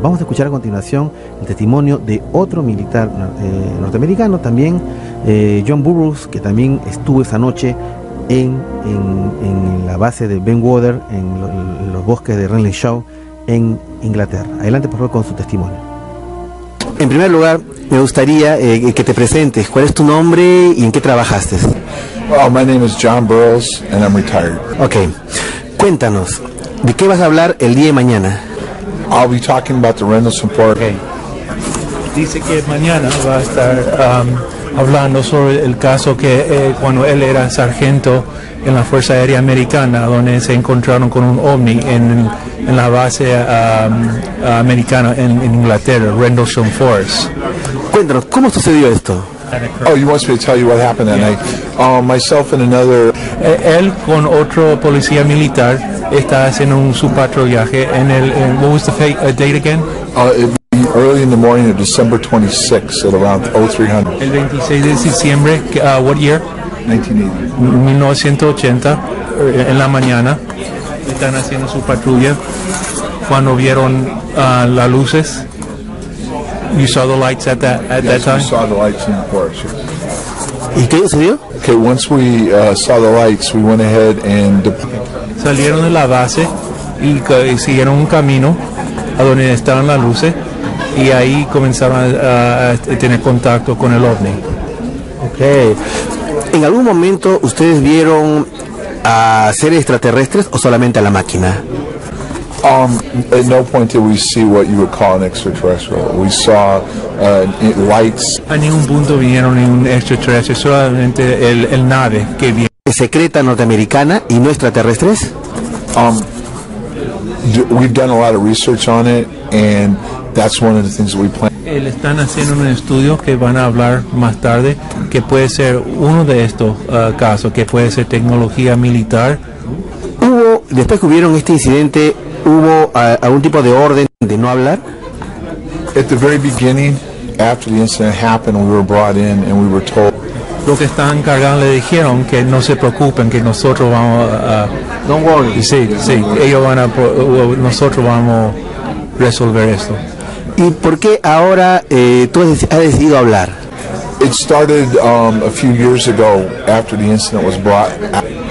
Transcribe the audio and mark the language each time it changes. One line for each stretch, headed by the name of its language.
Spanish: Vamos a escuchar a continuación el testimonio de otro militar norteamericano, también John Burroughs, que también estuvo esa noche en la base de Bentwaters, en los bosques de Raleigh Shaw, en Inglaterra. Adelante, por favor, con su testimonio. En primer lugar, me gustaría que te presentes. ¿Cuál es tu nombre y en qué trabajaste?
English: Well, my name is John Burroughs and I'm retired. Okay.
Spanish: Cuéntanos, ¿de qué vas a hablar el día de mañana?
English: I'll be talking about the Rendlesham Port. Okay.
Spanish: Dice que mañana va a estar hablando sobre el caso que cuando él era sargento en la Fuerza Aérea Americana, donde se encontraron con un ovni en la base americana en Inglaterra, Rendlesham Forest. Cuéntanos, ¿cómo sucedió esto?
English: Oh, you want me to tell you what happened that night? Myself and another...
Spanish: Él con otro policía militar está haciendo su patrullaje en el...
English: what was the date again? Early in the morning of December 26th at around 0300.
Spanish: El 26 de diciembre,
English: what year? 1980,
Spanish: en la mañana, están haciendo su patrulla cuando vieron las luces.
English: You saw the lights at that time. Yes, we saw the lights in the forest. Yes.
Spanish: ¿Y qué sucedió?
English: Okay, once we saw the lights, we went ahead and
Spanish: salieron de la base y siguieron un camino a donde estaban las luces y ahí comenzaron a tener contacto con el ovni.
English: Okay.
Spanish: ¿En algún momento ustedes vieron a seres extraterrestres o solamente a la máquina?
English: At no point did we see what you would call an extraterrestrial. We saw lights.
Spanish: A ningún punto vieron un extraterrestre, solamente el nave que vieron. ¿Secreta norteamericana y no extraterrestres?
English: We've done a lot of research on it, and that's one of the things that we plan.
Spanish: Él están haciendo un estudio que van a hablar más tarde, que puede ser uno de estos casos, que puede ser tecnología militar. ¿Hubo, después que hubieron este incidente, hubo algún tipo de orden de no hablar?
English: At the very beginning, after the incident happened, we were brought in and we were told.
Spanish: los que están encargados le dijeron que no se preocupen, que nosotros vamos a...
English: Don't worry.
Spanish: Sí, sí, ellos van a, nosotros vamos a resolver esto. ¿Y por qué ahora tú has decidido hablar?
English: It started a few years ago after the incident was brought out.